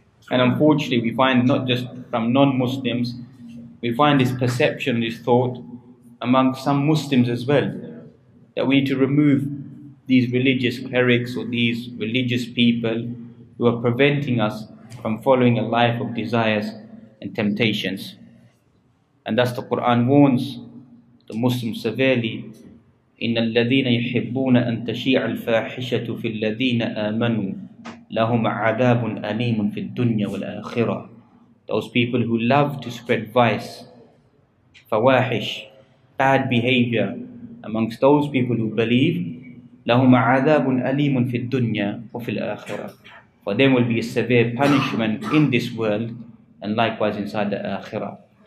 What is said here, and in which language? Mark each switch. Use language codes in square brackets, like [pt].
[en] And unfortunately, we find not just from non-Muslims, we find this perception, this thought among some Muslims as well, that we need to remove these religious clerics or these religious people who are preventing us from following a life of desires and temptations. And thus the Quran warns the Muslims severely, [ar] إِنَّ الَّذِينَ يُحِبُّونَ أَن تَشِيعَ الْفَاحِشَةُ فِي الَّذِينَ آمَنُوا لَهُمْ عَذَابٌ أَلِيمٌ فِي الدُّنْيَا وَالْآخِرَةِ. [en] Those people who love to spread vice, fawahish, bad behavior amongst those people who believe, [ar] لَهُمْ عَذَابٌ أَلِيمٌ فِي الدُّنْيَا وَفِي الْآخِرَةِ. [en] For them will be a severe punishment in this world and likewise inside the Akhirah.